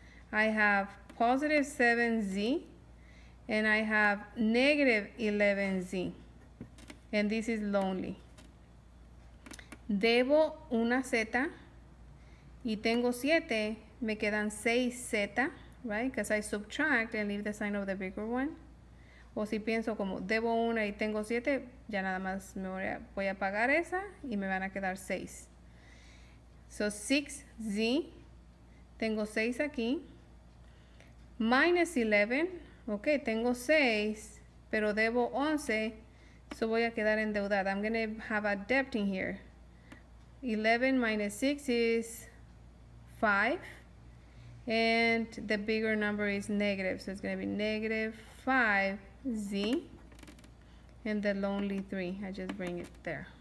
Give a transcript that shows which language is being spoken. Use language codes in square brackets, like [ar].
[en] I have positive 7z. And I have negative 11z. And this is lonely. [es] Debo una z. Y tengo 7. Me quedan 6z, right? [en] Because I subtract and leave the sign of the bigger one. [es] O si pienso como, debo una y tengo 7, ya nada más me voy a pagar esa y me van a quedar 6. So 6z, tengo 6 aquí. Minus 11, ok, tengo 6, pero debo 11, so voy a quedar endeudada. [en] I'm going to have a debt in here. 11 minus 6 is 5. And the bigger number is negative, so it's going to be negative 5. Z, and the lonely 3, I just bring it there.